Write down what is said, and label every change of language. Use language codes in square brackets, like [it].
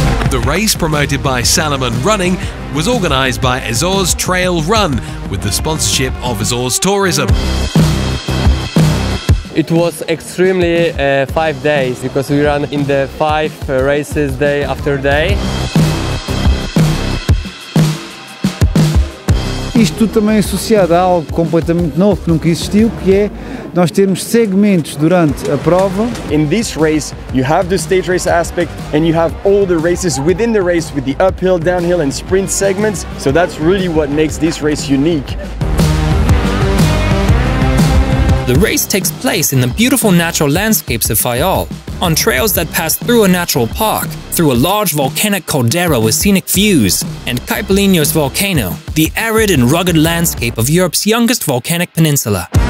[en] The race, promoted by Salomon Running, was organized by Azores Trail Run with the sponsorship of Azores Tourism. It was extremely 5 days because we ran in the five races day after day. [pt] Isto tudo também associado a algo completamente novo que nunca existiu, que é nós termos segmentos durante a prova. [en] In this race, you have the stage race aspect and you have all the races within the race with the uphill, downhill and sprint segments. So that's really what makes this race unique. The race takes place in the beautiful natural landscapes of Faial, on trails that pass through a natural park, through a large volcanic caldera with scenic views, and Caipalinho's volcano, the arid and rugged landscape of Europe's youngest volcanic peninsula.